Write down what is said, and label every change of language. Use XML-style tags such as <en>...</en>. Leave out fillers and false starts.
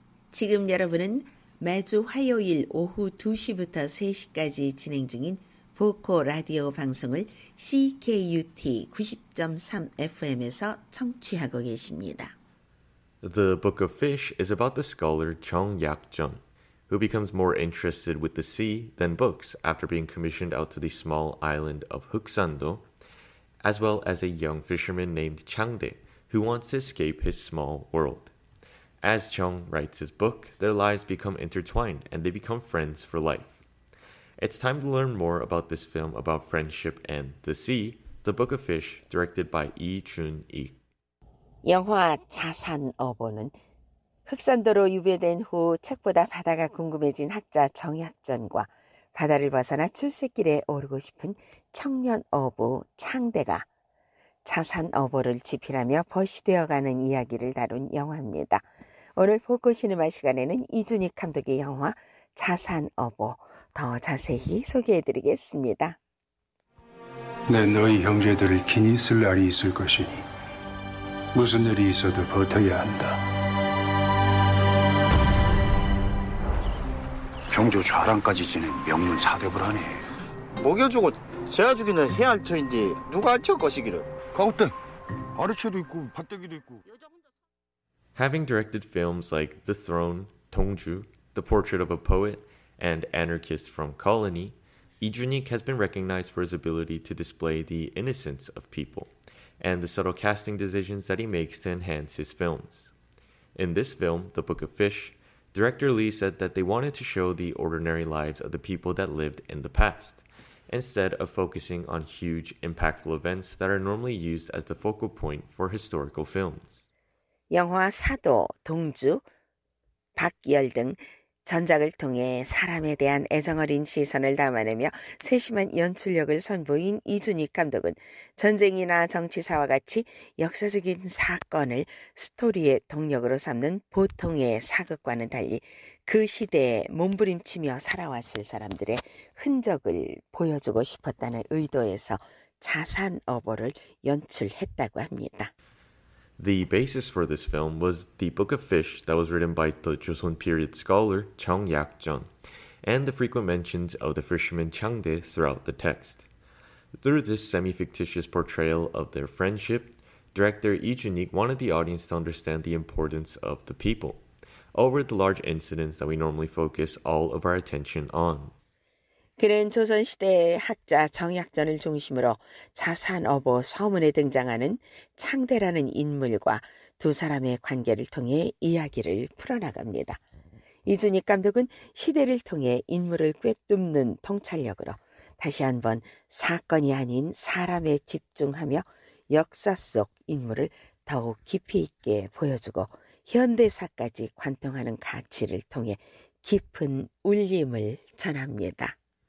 <ko>지금 여러분은 매주 화요일 오후 2시부터 3시까지 진행 중인 보코 라디오 방송을 CKUT 90.3 FM에서 청취하고 계십니다.</ko> <en>The Book of Fish is about the scholar Chung Yak-jun, who becomes more interested with the sea than books after being commissioned out to the small island of Hukseondo, as well as a young fisherman named Changdae, who wants to escape his small world. As Chung writes his book, their lives become intertwined and they become friends for life. It's time to learn more about this film about friendship and the sea, The Book of Fish, directed by Lee Chun-ik.</en> <ko>영화 자산어보는 흑산도로 유배된 후 책보다 바다가 궁금해진 학자 정약전과 바다를 벗어나 출세길에 오르고 싶은 청년 어부 창대가 자산 어보를 지필하며 벗이되어가는 이야기를 다룬 영화입니다. 오늘 포커시네마 시간에는 이준익 감독의 영화 자산 어보 더 자세히 소개해드리겠습니다. 내 너희 형제들을 기니 쓸 날이 있을 것이니 무슨 일이 있어도 버텨야 한다. 경조 좌랑까지 지낸 명문 사격을 하네. 먹여주고 세워주기는 해야 할 터인데 누가 할 것이기를. 가운데 아르체도 있고 밭대기도 있고.</ko> <en>Having directed films like The Throne, 동주, The Portrait of a Poet, and Anarchist from Colony, Lee Chun-ik has been recognized for his ability to display the innocence of people and the subtle casting decisions that he makes to enhance his films. In this film, The Book of Fish, Director Lee said that they wanted to show the ordinary lives of the people that lived in the past, instead of focusing on huge, impactful events that are normally used as the focal point for historical films.</en> <ko>영화 사도, 동주, 박열 등 전작을 통해 사람에 대한 애정 어린 시선을 담아내며 세심한 연출력을 선보인 이준익 감독은 전쟁이나 정치사와 같이 역사적인 사건을 스토리의 동력으로 삼는 보통의 사극과는 달리 그 시대에 몸부림치며 살아왔을 사람들의 흔적을 보여주고 싶었다는 의도에서 자산 어보를 연출했다고 합니다.</ko> <en>The basis for this film was The Book of Fish that was written by the Joseon period scholar Chung Yak-jun, and the frequent mentions of the fisherman Changdae throughout the text. Through this semi-fictitious portrayal of their friendship, director Lee Chun-ik wanted the audience to understand the importance of the people, over the large incidents that we normally focus all of our attention on.</en> <ko>그는 조선시대의 학자 정약전을 중심으로 자산어보 서문에 등장하는 창대라는 인물과 두 사람의 관계를 통해 이야기를 풀어나갑니다. 이준익 감독은 시대를 통해 인물을 꿰뚫는 통찰력으로 다시 한번 사건이 아닌 사람에 집중하며 역사 속 인물을 더욱 깊이 있게 보여주고 현대사까지 관통하는 가치를 통해 깊은 울림을 전합니다.</ko>